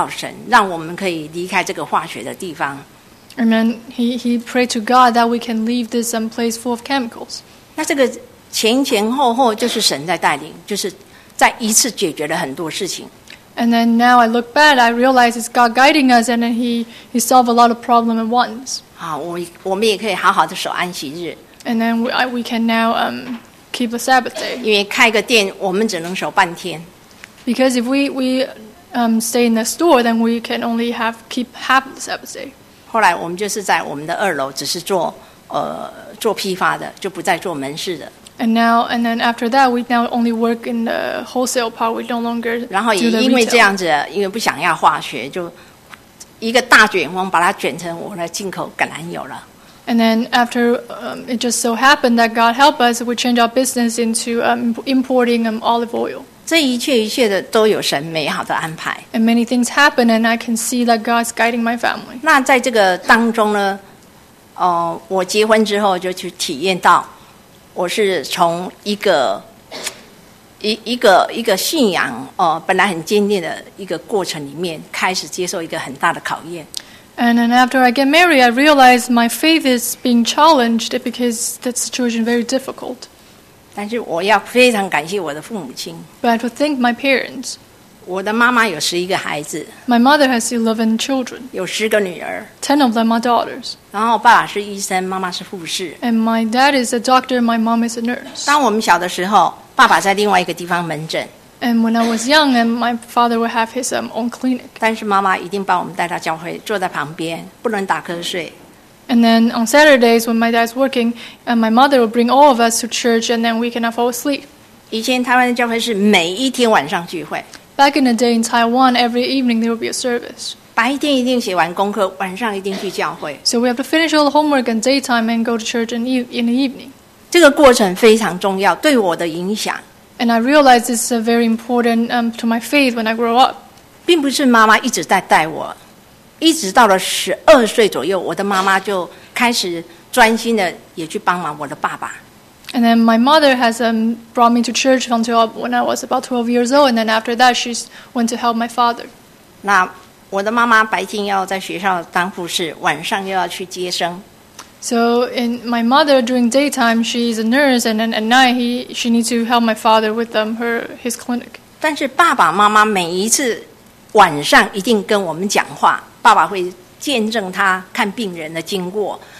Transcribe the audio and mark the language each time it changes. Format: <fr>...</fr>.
<zh>那从那一天开始就在祷告神，让我们可以离开这个化学的地方。</zh> <en>And then he prayed to God that we can leave this place full of chemicals.</en> <zh>那这个前前后后就是神在带领，就是在一次解决了很多事情。</zh> <en>And then now I look back, I realize it's God guiding us, and then he solved a lot of problems at once.</en> <zh>好，我们也可以好好的守安息日。</zh> <en>And then we can now keep the Sabbath day.</en> <zh>因为开个店，我们只能守半天。</zh> <en>Because if we stay in the store, then we can only keep half the Sabbath day.</en> <zh>后来我们就是在我们的二楼，只是做。做批发的, 就不再做门市的。</zh> <en>And then after that, we now only work in the wholesale part. We no longer do the retail.</en> <zh>然后也因为这样子, 因为不想要化学, 就一个大卷风把它卷成我的进口橄榄油了。</zh> <en>And then after it just so happened that God helped us, we changed our business into importing olive oil.</en> <zh>这一切一切的都有神美好的安排。</zh> <en>And many things happen, and I can see that God's guiding my family.</en> <zh>那在这个当中呢, 我结婚之后就去体验到，我是从一个信仰 本来很坚定的一个过程里面，开始接受一个很大的考验。</zh> <en>And then after I get married, I realize my faith is being challenged because that situation is very difficult.</en> <zh>但是我要非常感谢我的父母亲。</zh> <en>But I have to thank my parents.</en> <zh>我的妈妈有11个孩子。</zh> <en>My mother has 11 children.</en> <zh>有10个女儿。</zh> <en>10 of them are daughters.</en> <zh>然后爸爸是医生, 妈妈是护士。</zh> <en>And my dad is a doctor, my mom is a nurse.</en> <zh>当我们小的时候, 爸爸在另外一个地方门诊。</zh> <en>And when I was young, and my father would have his own clinic.</en> <zh>但是妈妈一定把我们带到教会, 坐在旁边, 不能打瞌睡。</zh> <en>And then on Saturdays, when my dad's working, and my mother would bring all of us to church, and then we cannot fall asleep.</en> <zh>以前台湾的教会是每一天晚上聚会。</zh> <en>Back in the day in Taiwan, every evening there would be a service.</en> <zh>白天一定写完功课, 晚上一定去教会。</zh> <en>So we have to finish all the homework in daytime and go to church in the evening.</en> <zh>这个过程非常重要, 对我的影响。</zh> <en>And I realized this is very important to my faith when I grow up.</en> <zh>并不是妈妈一直在带我, 一直到了12岁左右, 我的妈妈就开始专心的, 也去帮忙我的爸爸。</zh> <en>And then my mother has brought me to church until when I was about 12 years old, and then after that, she went to help my father.</en> <zh>那我的妈妈白天要在学校当护士, 晚上又要去接生。</zh> <en>So in my mother, during daytime, she's a nurse, and then at night, she needs to help my father with his clinic.</en> <zh>但是爸爸妈妈每一次晚上一定跟我们讲话, 爸爸会见证他看病人的经过。</zh>